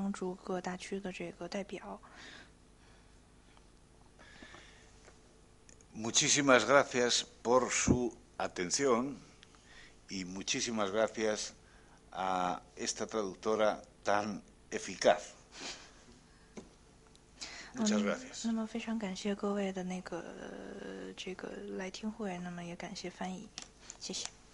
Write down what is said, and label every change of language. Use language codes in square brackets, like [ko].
[zh] 地区间统一基金，以及那个平衡，它以及它还有一个作用就是平衡，各个区的人民生活水平的这么一个作用。那么它是一个解决财政问题这个重要的这个自治内容的一个机制。那么我相信，各位还会今天，就是过两天我们还会去参观，不是去拜访一个非常重要的人，他就是中央驻各大区的这个代表。 [es] Muchísimas gracias por su atención y muchísimas gracias a esta traductora tan eficaz. Muchas gracias. [zh] 那么非常感谢各位的这个来听会，那么也感谢翻译，谢谢。